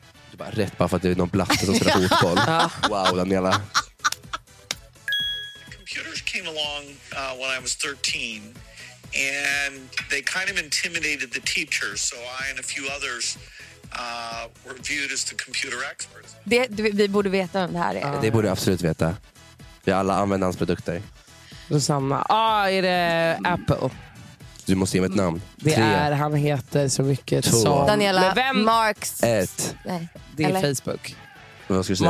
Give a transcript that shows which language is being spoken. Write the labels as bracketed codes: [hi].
[sv] Du bara rätt bara för att det är någon blatte som spelar fotboll. Wow, Daniela. [en] Computers came along when I was 13 and they kind of intimidated the teachers, so I and a few others were viewed as the computer experts. [sv] Vi borde veta om det här är. Det borde absolut veta. Vi alla använder hans produkter. Detsamma. Ah, är det Apple? Du måste ge mig ett namn. Det är, han heter så mycket som... Daniela, Mark... Ett. Nej. Det är Facebook. Vad ska du säga?